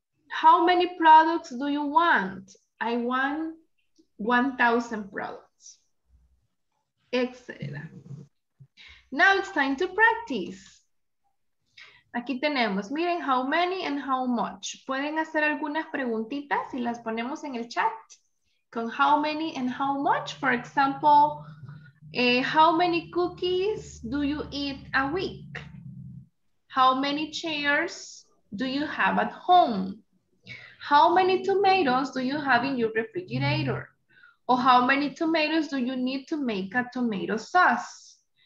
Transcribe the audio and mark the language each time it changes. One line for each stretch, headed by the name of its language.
English: How many products do you want? I want 1,000 products. Excellent. Now it's time to practice.
Spanish: Aquí tenemos, miren,
English: how many and how much.
Spanish: ¿Pueden hacer algunas preguntitas y las ponemos en el chat?
English: Con how many and how much. For example, how many cookies do you eat a week? How many chairs do you have at home? How many tomatoes do you have in your refrigerator? Or how many tomatoes do you need to make a tomato sauce?